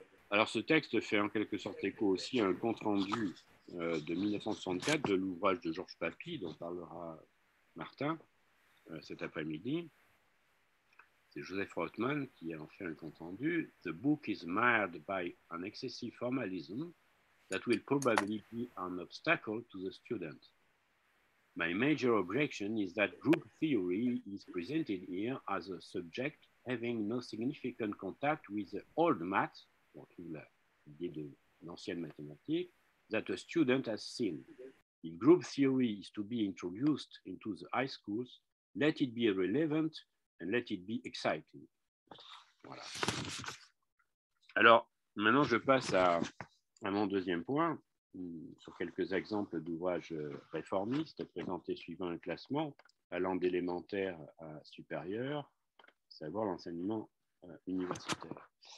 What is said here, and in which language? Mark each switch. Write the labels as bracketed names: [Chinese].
[French] Alors, ce texte fait en quelque sorte écho aussi à un compte-rendu de 1964 de l'ouvrage de Georges Papy, dont parlera Martin cet après-midi. C'est Joseph Rotman qui a en fait un compte-rendu. [English] « The book is marred by an excessive formalism that will probably be an obstacle to the student. My major objection is that group theory is presented here as a subject having no significant contact with the old math. » [French] Donc, l'idée de l'ancienne mathématique, [English] that a student has seen. If group theory is to be introduced into the high schools, let it be relevant and let it be exciting. [French] Voilà. Alors, maintenant, je passe à mon deuxième point, sur quelques exemples d'ouvrages réformistes présentés suivant un classement allant d'élémentaire à supérieur, savoir l'enseignement universitaire.